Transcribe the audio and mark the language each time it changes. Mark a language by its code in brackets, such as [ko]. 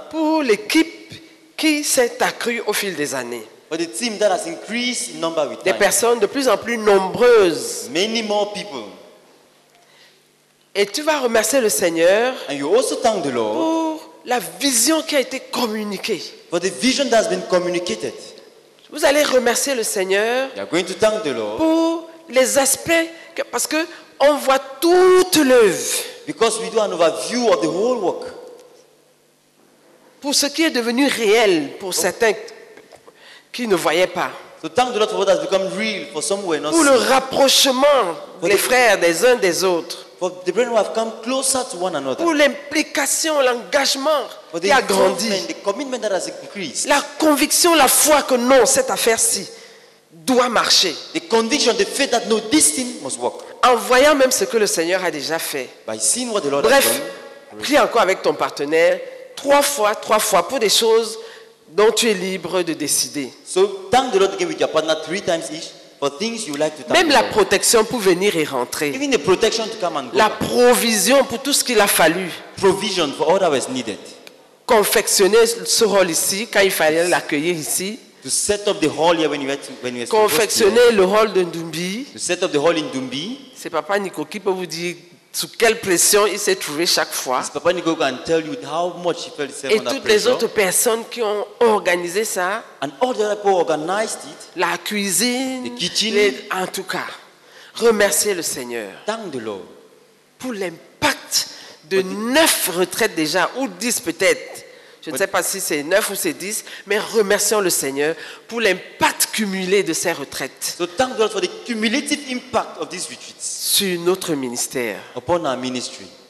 [fr] Pour l'équipe qui s'est accrue au fil des années. [en] For the team that has increased in number with time. [fr] Des personnes de plus en plus nombreuses. [en] Many more people. [fr] Et tu vas remercier le Seigneur. [en] And you also thank the Lord. [fr] Pour la vision qui a été communiquée. [en] For the vision that has been communicated. [fr] Vous allez remercier le Seigneur. [en] You are going to thank the Lord. [fr] Pour les aspects que, parce que on voit toute l'œuvre. [en] Because we do an overview of the whole work. [fr] Pour ce qui est devenu réel pour certains qui ne voyaient pas. [en] So thank the Lord for what has become real for some who are not. [fr] Pour le rapprochement des frères des uns des autres. [en] For the brethren who have come closer to one another. [fr] Pour l'implication, l'engagement qui a grandi. [en] The commitment that has increased. [fr] La conviction, la foi que non, cette affaire-ci doit marcher. [en] The conviction, the faith that no, this thing must work. [fr] En voyant même ce que le Seigneur a déjà fait. [en] By seeing what the Lord [fr] bref, [en] has done. [fr] Prie encore avec ton partenaire trois fois pour des choses dont tu es libre de décider. [en] So thank the Lord again with your partner three times each. For things you like to thank [fr] même la protection pour venir et rentrer. [en] Even the protection to come and go. [fr] La provision pour tout ce qu'il a fallu. [en] Provision for all that was needed. [fr] Confectionner ce hall ici quand il fallait l'accueillir ici. [en] To set up the hall here when you were to, when you were [fr] confectionner le hall de Ndumbi. [en] To set up the hall in Ndumbi. [fr] C'est Papa Nico qui peut vous dire sous quelle pression il s'est trouvé chaque fois. [en] It's Papa Nico can tell you how much he felt. [fr] Et toutes [en] pressure. [fr] Les autres personnes qui ont organisé ça. [en] And all the other people organized it. [fr] La cuisine. [en] The kitchen. [fr] Les, en tout cas, remercier le Seigneur. [en] Thank the Lord. [fr] Pour l'impact de 9 retraites déjà ou 10 peut-être. Je ne sais pas si c'est 9 ou c'est 10, mais remercions le Seigneur pour l'impact cumulé de ces retraites. [en] So thank God for the cumulative impact of these retreats. [fr] Sur notre ministère. [en] Upon our ministry.